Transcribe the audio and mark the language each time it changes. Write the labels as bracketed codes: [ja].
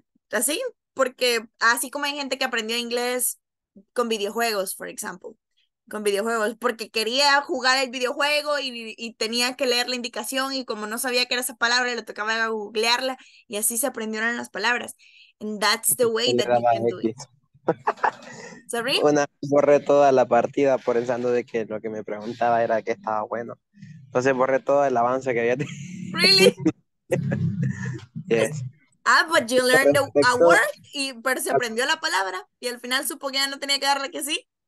[es] Así, porque así como hay gente que aprendió inglés con videojuegos, por ejemplo, con videojuegos, porque quería jugar el videojuego y tenía que leer la indicación y como no sabía qué era esa palabra, le tocaba googlearla y así se aprendieron las palabras. [en] And that's the way that you can do it. ¿Sorry? [es] Una, borré toda la partida pensando de que lo que me preguntaba era que estaba bueno. Entonces borré todo el avance que había tenido. [en] Really? Yes. Ah, but you learned a word, [es] y pero se aprendió la palabra y al final supo que ya no tenía que darle que sí.